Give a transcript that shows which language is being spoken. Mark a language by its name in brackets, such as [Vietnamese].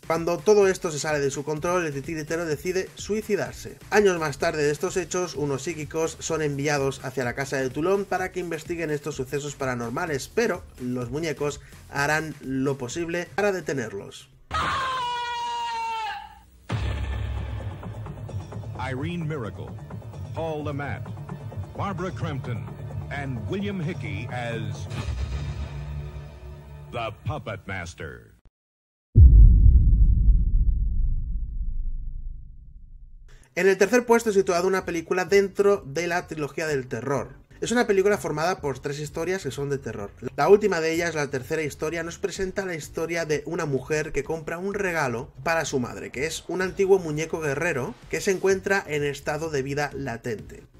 [Spanish] Cuando todo esto se sale de su control, el titiritero decide suicidarse. Años más tarde de estos hechos, unos psíquicos son enviados hacia la casa de Toulon para que investiguen estos sucesos paranormales, pero los muñecos harán lo posible para detenerlos. [English] Irene Miracle, Paul LaMatt, Barbara Crampton, and William Hickey as the Puppet Master. [Spanish] En el tercer puesto he situado una película dentro de la trilogía del terror. Es una película formada por 3 historias que son de terror. La última de ellas, la tercera historia, nos presenta la historia de una mujer que compra un regalo para su madre, que es un antiguo muñeco guerrero que se encuentra en estado de vida latente.